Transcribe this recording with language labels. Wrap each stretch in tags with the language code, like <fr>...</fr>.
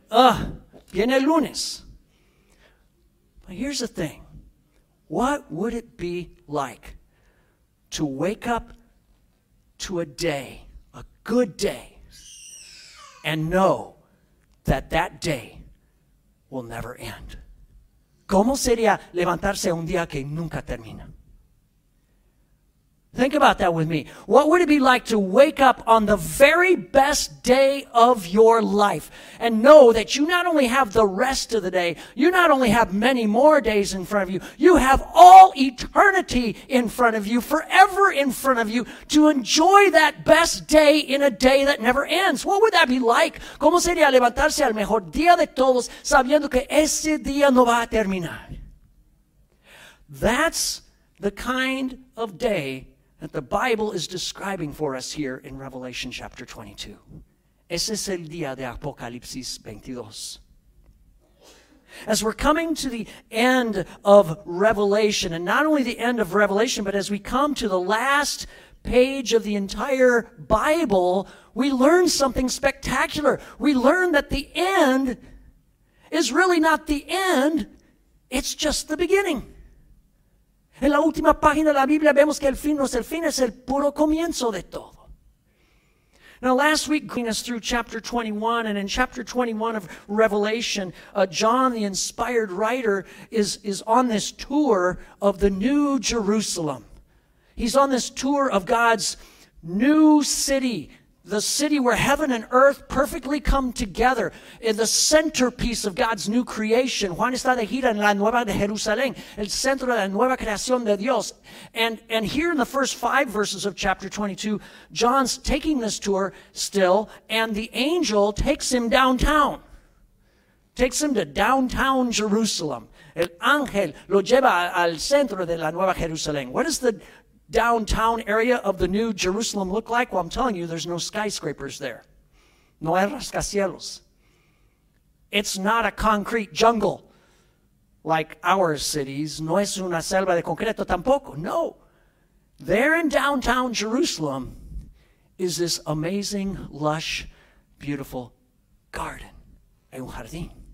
<es>Viene el lunes.</es> <en>But here's the thing. What would it be like to wake up to a day, a good day, and know that that day will never end?</en> <es>¿Cómo sería levantarse un día que nunca termina?</es> <en>Think about that with me. What would it be like to wake up on the very best day of your life and know that you not only have the rest of the day, you not only have many more days in front of you, you have all eternity in front of you, forever in front of you, to enjoy that best day in a day that never ends? What would that be like?</en> <es>¿Cómo sería levantarse al mejor día de todos sabiendo que ese día no va a terminar?</es> <en>That's the kind of day that the Bible is describing for us here in Revelation chapter 22.</en> <es>Ese es el día de Apocalipsis 22.</es> <en>As we're coming to the end of Revelation, and not only the end of Revelation, but as we come to the last page of the entire Bible, we learn something spectacular. We learn that the end is really not the end, it's just the beginning.</en> <es>En la última página de la Biblia vemos que el fin no es el fin, es el puro comienzo de todo.</es> <en>Now last week, bring us through chapter 21, and in chapter 21 of Revelation, John, the inspired writer, is on this tour of the New Jerusalem. He's on this tour of God's new city, the city where heaven and earth perfectly come together, in the centerpiece of God's new creation.</en> <es>Juan está de gira en la nueva de Jerusalén, el centro de la nueva creación de Dios.</es> <en>And here in the first five verses of chapter 22, John's taking this tour still, and the angel takes him downtown, takes him to downtown Jerusalem.</en> <es>El ángel lo lleva al centro de la nueva Jerusalén.</es> <en>What is the downtown area of the New Jerusalem look like? Well, I'm telling you, there's no skyscrapers there.</en> <es>No hay rascacielos.</es> <en>It's not a concrete jungle like our cities.</en> <es>No es una selva de concreto tampoco.</es> <en>No. There in downtown Jerusalem is this amazing, lush, beautiful garden.</en> <es>Un jardín.</es>